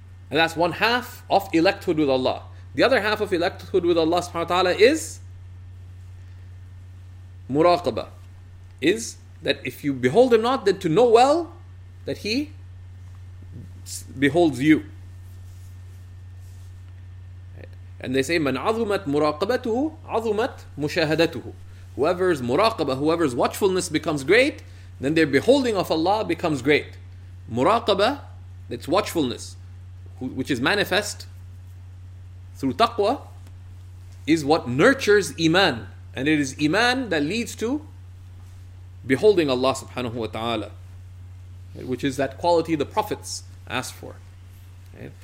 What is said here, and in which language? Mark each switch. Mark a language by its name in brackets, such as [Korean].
[English] And that's one half of electhood with Allah. The other half of electhood with Allah subhanahu wa ta'ala is muraqabah. Is that if you behold Him not, then to know well that He beholds you. And they say, [Arabic] من عظمت مراقبته عظمت مشاهدته. [English] Whoever's muraqabah, whoever's watchfulness becomes great, then their beholding of Allah becomes great. Muraqabah, that's watchfulness, which is manifest through taqwa, is what nurtures iman. And it is iman that leads to beholding Allah subhanahu wa ta'ala, which is that quality the prophets asked for. Right?